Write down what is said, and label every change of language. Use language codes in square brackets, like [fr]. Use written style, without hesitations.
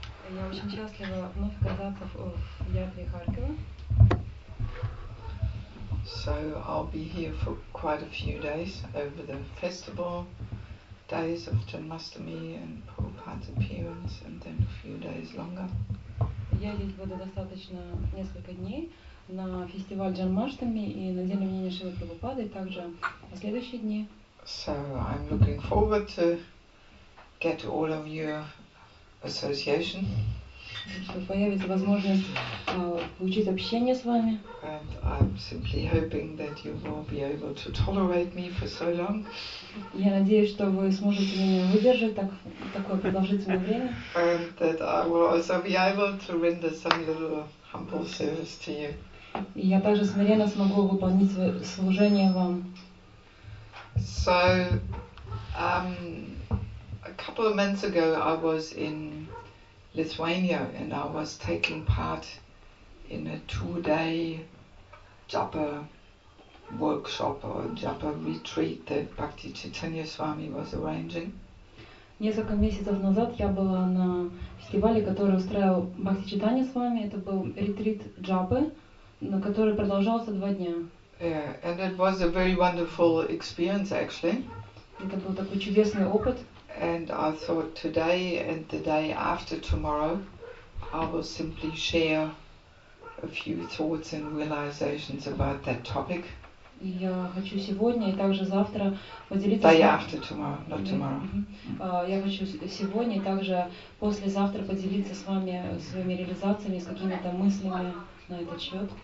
[ru] Я очень счастлива вновь оказаться в Ятре Харькова. [en] So I'll be here for quite a few days over the festival days of Janmashtami and Prabhupada's appearance, and then a few days longer. [ru] Я здесь буду достаточно несколько дней на фестиваль Джанмаштами и на День рождения Шрилы Прабхупады, и также на следующие дни. [en] So I'm looking forward to get all of your association. [ru] Что появится возможность получить общение с вами. [en] And I'm simply hoping that you will be able to tolerate me for so long. [ru] Я надеюсь, что вы сможете меня выдержать так такое продолжительное время. [en] And that I will also be able to render some little humble service to you. [ru] И я также смиренно смогу выполнить служение вам. [en] So, a couple of months ago I was in Lithuania, and I was taking part in a two-day japa workshop or japa retreat that Bhakti Chaitanya Swami was arranging. [ru] Несколько месяцев назад я была на фестивале, который устраивал Бхакти Чайтанья Свами. Это был ретрит джапы, на который продолжался два дня. [en] Yeah, and it was a very wonderful experience, actually. [ru] Это был такой чудесный опыт. [en] And I thought today and the day after tomorrow, I will simply share a few thoughts and realizations about that topic. [ru] Я хочу сегодня и также завтра поделиться. [en] Day after tomorrow, not tomorrow. [ru] Я хочу сегодня и также послезавтра поделиться с вами своими реализациями, с какими-то мыслями на этот счет.